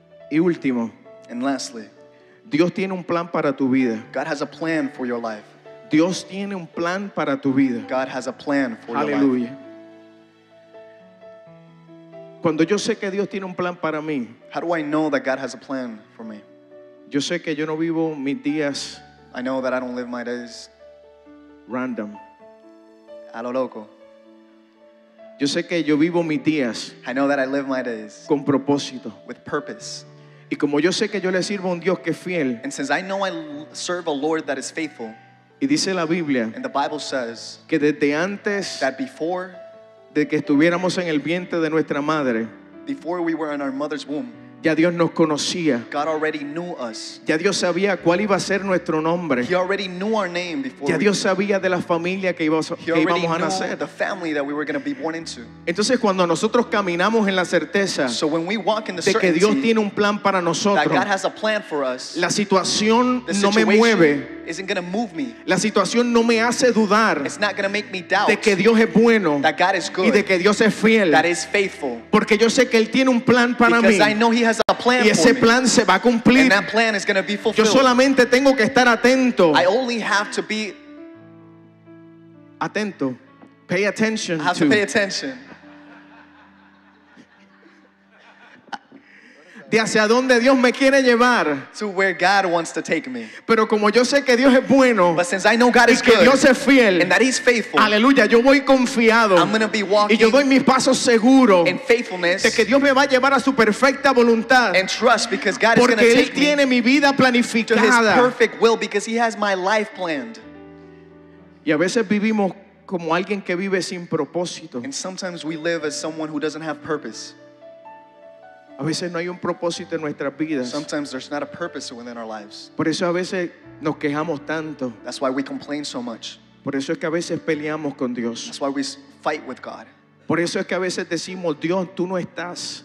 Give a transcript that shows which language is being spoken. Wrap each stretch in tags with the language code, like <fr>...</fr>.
<es>Y último,</es> <en>and lastly,</en> <es>Dios tiene un plan para tu vida.</es> <en>God has a plan for your life.</en> <es>Dios tiene un plan para tu vida.</es> <en>God has a plan for Hallelujah. Your life.</en> <es>Cuando yo sé que Dios tiene un plan para mí,</es> <en>how do I know that God has a plan for me?</en> <es>Yo sé que yo no vivo mis días.</es> <en>I know that I don't live my days random.</en> <es>A lo loco. Yo sé que yo vivo mis días.</es> <en>I know that I live my days</en> <es>con propósito.</es> <en>With purpose.</en> <es>Y como yo sé que yo le sirvo a un Dios que es fiel.</es> <en>And since I know I serve a Lord that is faithful.</en> <es>Y dice la Biblia.</es> <en>And the Bible says.</en> <es>Que desde antes.</es> <en>That before.</en> <es>De que estuviéramos en el vientre de nuestra madre.</es> <en>Before we were in our mother's womb.</en> <es>Ya Dios nos conocía.</es> <en>God already knew us.</en> <es>Ya Dios sabía cuál iba a ser nuestro nombre.</es> <en>He already knew our name before.</en> <es>Ya Dios sabía de la familia que íbamos a nacer.</es> <en>He already knew the family that we were going to be born into.</en> <es>Entonces cuando nosotros caminamos en la certeza</es> <en>so when we walk in the</en> <es>de que Dios tiene un plan para nosotros,</es> <en>that God has a plan for us,</en> <es>la situación no me mueve.</es> <en>Isn't going to move me.</en> <es>La situación no me hace dudar.</es> <en>It's not going to make me doubt.</en> <es>De que Dios es bueno.</es> <en>That God is good.</en> <es>Y de que Dios es fiel.</es> <en>That is faithful.</en> <es>Porque yo sé que él tiene un plan para</es> <en>because Because I know he has a plan for me.</en> <es>Y ese plan se va a cumplir.</es> <en>And that plan is going to be fulfilled.</en> <es>Yo solamente tengo que estar atento.</es> <en>I only have to be atento. Pay attention. I have to pay attention.</en> <es>De hacia dónde Dios me quiere llevar.</es> <en>To where God wants to take me.</en> <es>Pero como yo sé que Dios es bueno.</es> <en>But since I know God is</en> <es>que</es> <en>good.</en> <es>Dios es fiel.</es> <en>And that he's faithful.</en> <es>Aleluya, yo voy confiado.</es> <en>I'm going to be walking.</en> <es>Y yo doy mis pasos seguro.</es> <en>In faithfulness.</en> <es>De que Dios me va a llevar a su perfecta voluntad.</es> <en>And trust because God</en> <es>porque</es> <en>is going to take me.</en> <es>Porque él tiene mi vida planificada.</es> <en>To his perfect will because he has my life planned.</en> <es>Y a veces vivimos como alguien que vive sin propósito.</es> <en>And sometimes we live as someone who doesn't have purpose.</en> <es>A veces no hay un propósito en nuestras vidas.</es> <en>Sometimes there's not a purpose within our lives.</en> <es>Por eso a veces nos quejamos tanto.</es> <en>That's why we complain so much.</en> <es>Por eso es que a veces peleamos con Dios.</es> <en>That's why we fight with God.</en> <es>Por eso es que a veces decimos, Dios, tú no estás.</es>